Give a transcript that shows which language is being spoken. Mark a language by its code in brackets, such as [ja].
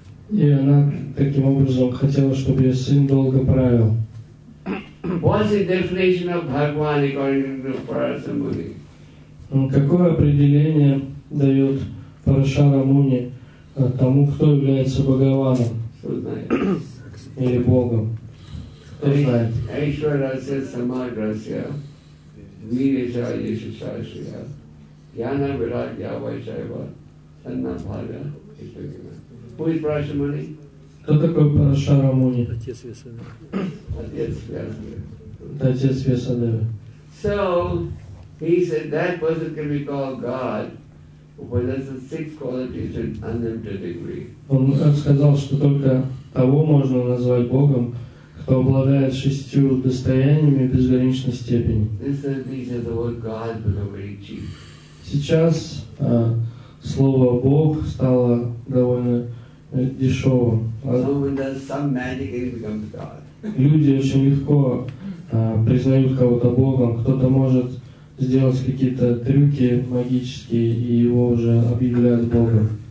[ru] И она таким образом хотела, чтобы ее сын долго правил. [en] What's the definition of Bhagwan according to Parashuramuni? [ru] Какое определение дает Парашарамуни тому, кто является Бхагаваном? Или Богом? Кто знает? [sa] Aishwarya Rasya Samagrasya Vireja Yesha Shashriya Jnana Viradya Vaishaiva. [en] Who is Parashuramuni? [ru] Кто такой Парашарамуни? Отец Вьясадевы. Отец Вьясадевы. [en] So he said that person can be called God who possesses 6 qualities in unlimited degree. [ru] Он сказал, что только того можно назвать Богом, кто обладает 6 достояниями безграничной степени. [en] This is the word God became very cheap. [ru] Сейчас слово «Бог» стало довольно дешевым. Люди очень легко признают кого-то Богом. Кто-то может сделать какие-то трюки магические, и его уже объявляют Богом.